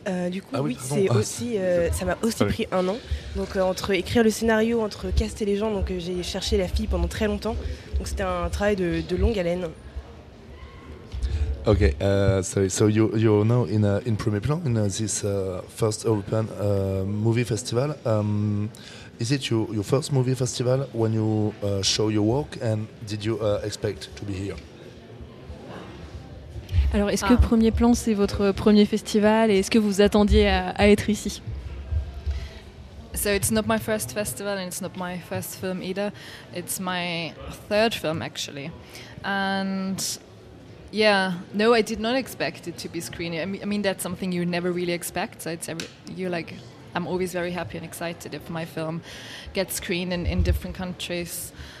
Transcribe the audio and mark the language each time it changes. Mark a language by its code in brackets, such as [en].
[fr] Du coup, ah oui, oui c'est ah. aussi ça m'a aussi ah oui. pris 1 an. Donc entre écrire le scénario, entre caster les gens, donc j'ai cherché la fille pendant très longtemps. Donc c'était un travail de longue haleine. [en] Okay, so you're now in premier plan in this first European movie festival. Is it your first movie festival when you show your work, and did you expect to be here? [fr] Alors, est-ce que Premier Plan c'est votre premier festival, et est-ce que vous attendiez à être ici? [en] So it's not my first festival and it's not my first film either. It's my third film actually, and yeah, no, I did not expect it to be screened. I mean, that's something you never really expect. So it's you're like. I'm always very happy and excited if my film gets screened in different countries.